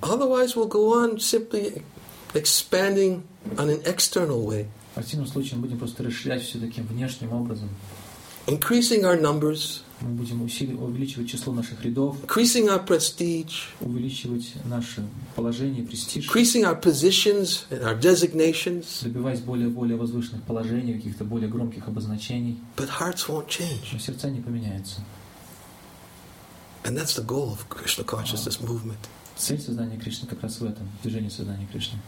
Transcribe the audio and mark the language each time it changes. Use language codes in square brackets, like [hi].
[en] Otherwise, we'll go on simply expanding on an external way. [ru] В противном случае мы будем просто расширять все таким внешним образом. [en] Increasing our numbers. [ru] Мы будем увеличивать число наших рядов. [en] Increasing our prestige. [ru] Увеличивать наше положение, престиж. [en] Increasing our positions and our designations. [ru] Добиваясь более возвышенных положений, каких-то более громких обозначений. [en] But hearts won't change. [ru] Но сердца не поменяются. [en] And that's the goal of Krishna consciousness movement. [ru] Цель сознания Кришны как раз в этом, движение сознания Кришны.